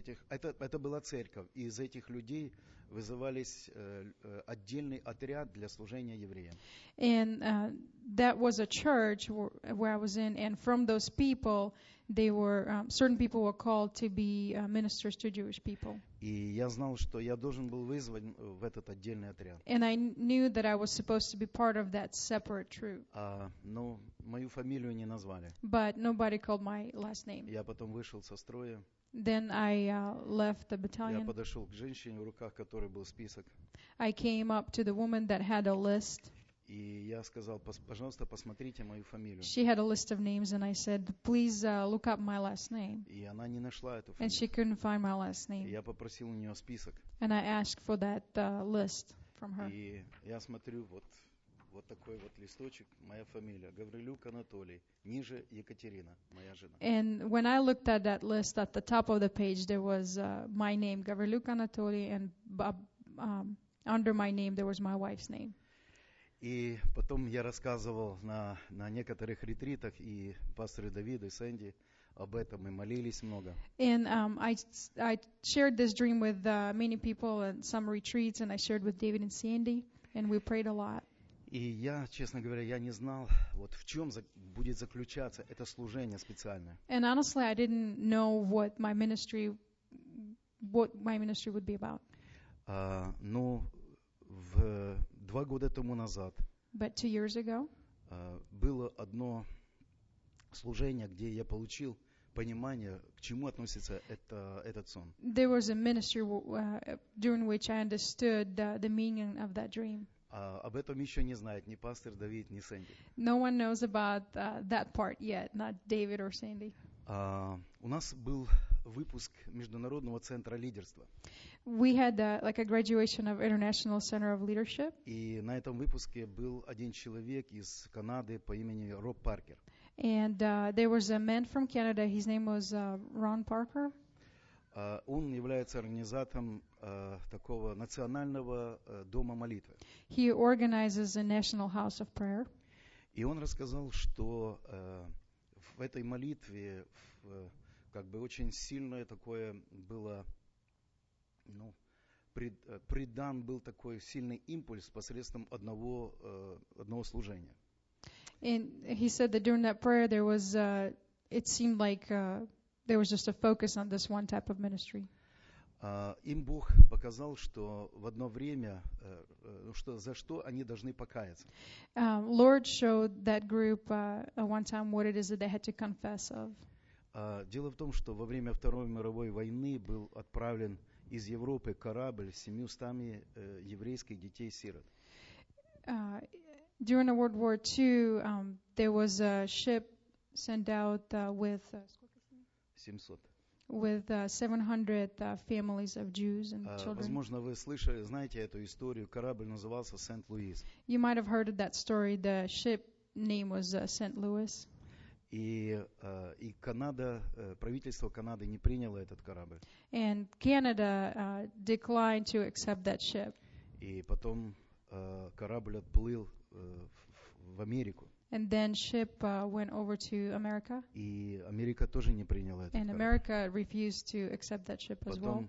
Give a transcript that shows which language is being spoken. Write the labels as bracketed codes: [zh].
[ru] Это была церковь, и из этих людей вызывались отдельный отряд для служения евреям. [en] And that was a church where I was in, and from those people, they were certain people were called to be ministers to Jewish people. [ru] И я знал, что я должен был вызван в этот отдельный отряд. [en] And I knew that I was supposed to be part of that separate troop. [ru] Но мою фамилию не назвали. [en] But nobody called my last name. [ru] Я потом вышел со строя. [en] Then I left the battalion. [ru] Я подошел к женщине, в руках которой был список. [en] I came up to the woman that had a list. [ru] И я сказал, пожалуйста, посмотрите мою фамилию. [en] She had a list of names, and I said, please look up my last name. [ru] И она не нашла эту фамилию. [en] And she couldn't find my last name. [ru] И я попросил у нее список. [en] And I asked for that list from her. [ru] И я смотрю, вот такой вот листочек, моя фамилия, Гаврилюк Анатолий, ниже Екатерина, моя жена. [en] And when I looked at that list, at the top of the page, there was my name, Гаврилюк Анатолий, and under my name, there was my wife's name. [ru] И потом я рассказывал на некоторых ретритах и пастору Давиду, и Сэнди об этом, и молились много. [en] And I shared this dream with many people at some retreats, and I shared with David and Sandy, and we prayed a lot. [ru] И я, честно говоря, я не знал, вот в чем будет заключаться это служение специальное. [en] And honestly, I didn't know what my ministry would be about. [ru] Но в 2 года тому назад. [en] But 2 years ago. [ru] Было одно служение, где я получил понимание, к чему относится этот сон. [en] There was a ministry during which I understood the meaning of that dream. [ru] Об этом еще не знает ни пастор Давид, ни Сэнди. [en] No one knows about that part yet, not David or Sandy. [ru] У нас был выпуск Международного центра лидерства. [en] We had like a graduation of International Center of Leadership. [ru] И на этом выпуске был один человек из Канады по имени Роб Паркер. [en] And there was a man from Canada, his name was Ron Parker. [ru] Он является организатором такого национального дома молитвы. [en] He organizes a national house of prayer. [ru] И он рассказал, что в этой молитве как бы очень сильное такое было, ну, придан был такой сильный импульс посредством одного служения. [en] And he said that during that prayer there was it seemed like there was just a focus on this one type of ministry. [ru] Им Бог показал, что в одно время, что за что они должны покаяться. [en] Lord showed that group one time what it is that they had to confess of. [ru] Дело в том, что во время Второй мировой войны был отправлен из Европы корабль с 700 еврейских детей-сирот. [en] During World War II, there was a ship sent out with 700. With 700 families of Jews and children. [ru] Возможно, вы слышали, знаете эту историю. Корабль назывался Сент-Луис. [en] You might have heard of that story. The ship name was Saint Louis. [ru] И Канада, правительство Канады не приняло этот корабль. [en] And Canada declined to accept that ship. [ru] И потом корабль отплыл в Америку. [en] And then ship went over to America. [ru] И Америка тоже не приняла этот корабль. [en] And America refused to accept that ship as well.